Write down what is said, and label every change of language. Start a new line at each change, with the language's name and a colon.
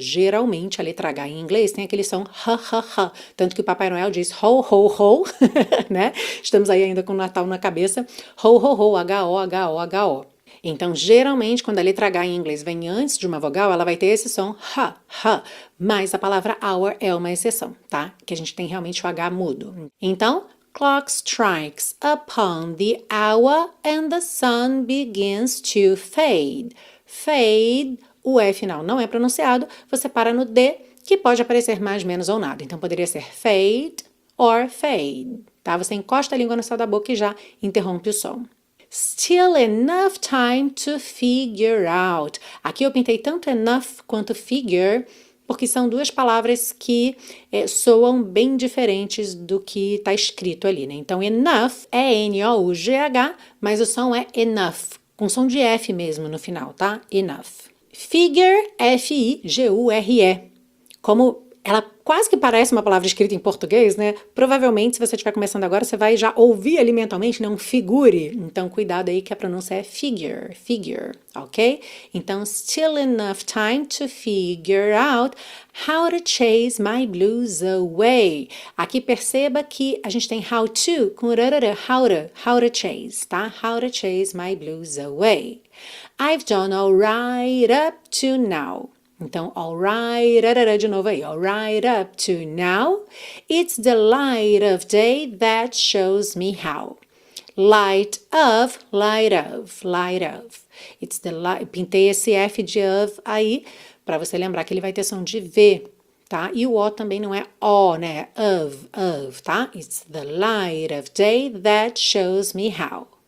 Portuguese: Geralmente a letra H em inglês tem aquele som ha ha ha, tanto que o Papai Noel diz ho ho ho, né? Estamos aí ainda com o Natal na cabeça, ho ho ho, H-O-H-O-H-O. Então, geralmente, quando a letra H em inglês vem antes de uma vogal, ela vai ter esse som, ha, ha. Mas a palavra hour é uma exceção, tá? Que a gente tem realmente o H mudo. Então,
English: clock strikes upon the hour and the sun begins to fade.
Portuguese: Fade, o E final não é pronunciado, você para no D, que pode aparecer mais, menos ou nada. Então, poderia ser fade or fade, tá? Você encosta a língua no céu da boca e já interrompe o som.
English: Still enough time to figure out.
Portuguese: Aqui eu pintei tanto enough quanto figure, porque são duas palavras que soam bem diferentes do que está escrito ali, né? Então, enough é N-O-U-G-H, mas o som é enough, com som de F mesmo no final, tá? Enough. Figure, F-I-G-U-R-E. Como ela quase que parece uma palavra escrita em português, né? Provavelmente, se você estiver começando agora, você vai já ouvir ali mentalmente, né? Um figure. Então, cuidado aí que a pronúncia é figure, figure, ok? Então,
English: still enough time to figure out how to chase my blues away.
Portuguese: Aqui, perceba que a gente tem how to com rarara, how to chase, tá?
English: How to chase my blues away. I've done all right up to now.
Portuguese: Então,
English: all right,
Portuguese: arara, de novo aí,
English: all right up to now, it's the light of day that shows me how. Light of, light of, light of. It's the light,
Portuguese: pintei esse F de of aí, para você lembrar que ele vai ter som de V, tá? E o O também não é O, né? Of, tá?
English: It's the light of day that shows me how.